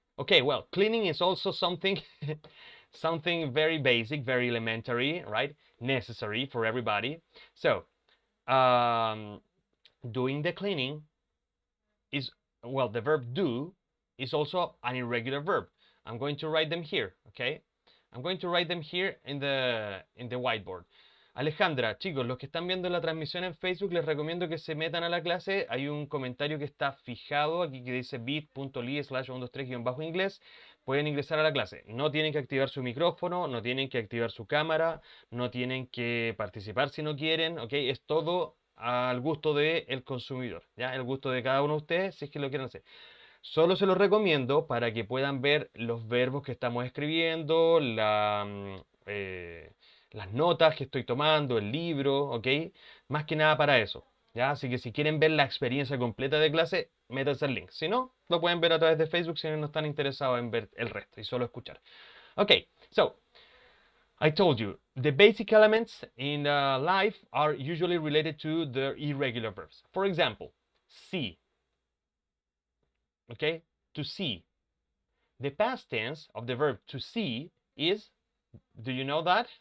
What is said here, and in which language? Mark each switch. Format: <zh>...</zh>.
<en>Okay, well, cleaning is also something something very basic, very elementary, right? Necessary for everybody. So, doing the cleaning is, well, the verb do is also an irregular verb. I'm going to write them here, okay? I'm going to write them here in the whiteboard.</en> <es>Alejandra, chicos, los que están viendo la transmisión en Facebook, les recomiendo que se metan a la clase. Hay un comentario que está fijado aquí que dice bit.ly/123-inglés. Pueden ingresar a la clase. No tienen que activar su micrófono, no tienen que activar su cámara, no tienen que participar si no quieren, ¿ok? Es todo al gusto del consumidor, ¿ya? El gusto de cada uno de ustedes, si es que lo quieren hacer. Solo se los recomiendo para que puedan ver los verbos que estamos escribiendo, las notas que estoy tomando, el libro, ¿ok? Más que nada para eso, ¿ya? Así que si quieren ver la experiencia completa de clase, métanse al link. Si no, lo pueden ver a través de Facebook si no están interesados en ver el resto y solo escuchar.</es> <en>Ok, so, I told you, the basic elements in life are usually related to the irregular verbs. For example, see. Ok, to see. The past tense of the verb to see is... Do you know that?</en>